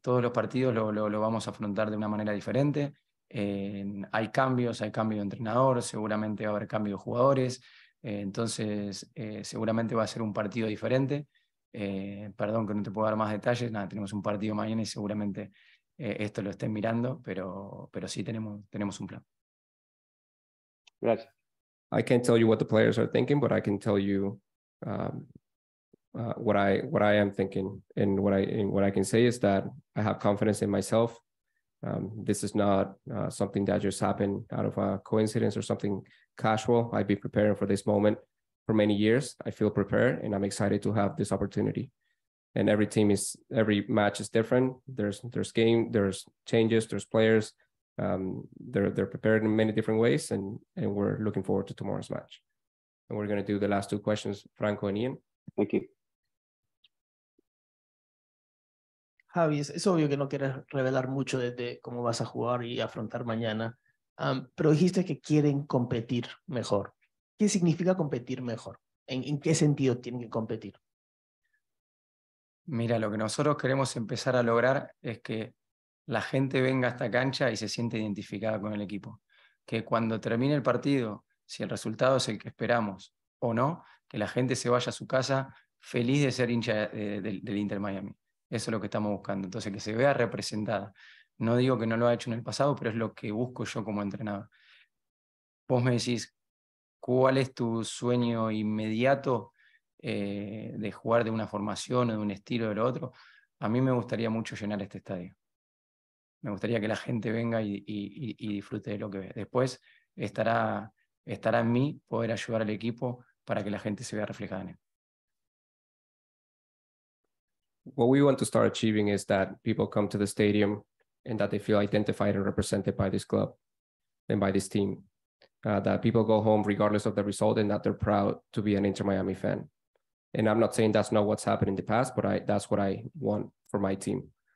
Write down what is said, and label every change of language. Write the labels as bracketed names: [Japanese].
[Spanish] Todos los partidos lo vamos a afrontar de una manera diferente. Hay cambio de entrenador, seguramente va a haber cambio de jugadores. Entonces seguramente va a ser un partido diferente. Perdón que no te puedo dar más detalles. Nada, tenemos un partido mañana y seguramente esto lo estén mirando, pero sí tenemos un plan. Gracias. [English] I can't tell you what the players are thinking, but I can tell you what I am thinking and what I can say is that I have confidence in myself This is not something that just happened out of a coincidence or something casual. I've been preparing for this moment for many years. I feel prepared and I'm excited to have this opportunity. And every team is, every match is different. There's game, there's changes, there's players. They're prepared in many different ways, and we're looking forward to tomorrow's match. And we're gonna do the last two questions, Franco and Ian. Thank you. [Spanish] Javi, es obvio que no quieres revelar mucho de cómo vas a jugar y afrontar mañana, pero dijiste que quieren competir mejor. ¿Qué significa competir mejor? ¿En qué sentido tienen que competir? Mira, lo que nosotros queremos empezar a lograr es que la gente venga a esta cancha y se siente identificada con el equipo. Que cuando termine el partido, si el resultado es el que esperamos o no, que la gente se vaya a su casa feliz de ser hincha del Inter Miami. Eso es lo que estamos buscando. Entonces, que se vea representada. No digo que no lo ha hecho en el pasado, pero es lo que busco yo como entrenador. Vos me decís, ¿cuál es tu sueño inmediato de jugar de una formación o de un estilo o del otro? A mí me gustaría mucho llenar este estadio. Me gustaría que la gente venga y disfrute de lo que ve. Después estará en mí poder ayudar al equipo para que la gente se vea reflejada en él. [English] What we want to start achieving is that people come to the stadium and that they feel identified and represented by this club and by this team. That people go home regardless of the result and that they're proud to be an Inter Miami fan. And I'm not saying that's not what's happened in the past, but that's what I want for my team.